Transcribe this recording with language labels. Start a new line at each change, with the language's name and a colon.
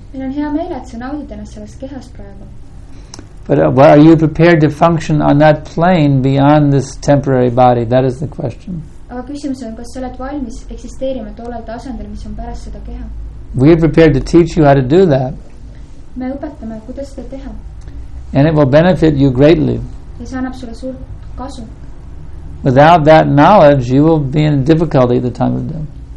English: But are you prepared to function on that plane beyond this temporary body? That is the question.
Estonian: Aga küsimus on, kas sa oled valmis eksisteerima tollel tasandel, mis on pärast seda keha?
English: We are prepared to teach you how to do that.
Estonian: Me õpetame, kuidas seda teha.
English: And it will benefit you greatly.
Estonian: Ja see annab sulle suurt kasu.
English: Without that knowledge, you will be in difficulty at the time of death.